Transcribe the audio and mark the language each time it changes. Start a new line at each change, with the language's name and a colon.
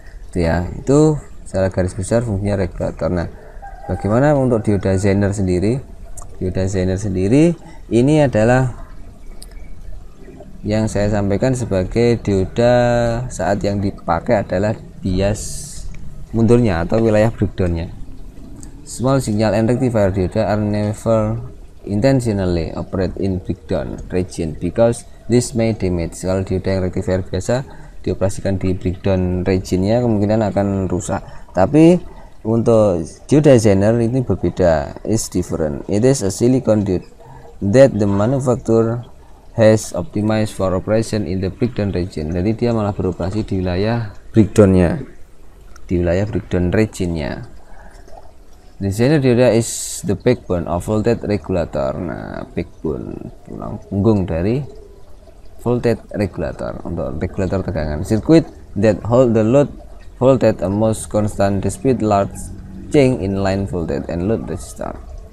Indonesian: Itu ya, itu secara garis besar fungsinya regulator. Nah, bagaimana untuk dioda zener sendiri? Dioda zener sendiri ini adalah yang saya sampaikan sebagai dioda saat yang dipakai adalah bias mundurnya atau wilayah breakdownnya.
English: Small signal and rectifier dioda are never intentionally operate in breakdown region because this may damage.
Indonesian: Kalau dioda yang rectifier biasa dioperasikan di breakdown regionnya kemungkinan akan rusak. Tapi untuk dioda zener ini berbeda,
English: is different. It is a silicon diode that the manufacturer has optimized for operation in the breakdown region.
Indonesian: Jadi dia malah beroperasi di wilayah breakdownnya, di wilayah breakdown regionnya.
English: The zener dioda is the backbone of voltage regulator.
Indonesian: Nah, backbone, tulang punggung dari voltage regulator untuk regulator tegangan.
English: Circuit that hold the load voltage almost constant despite large change in line voltage and load resistor.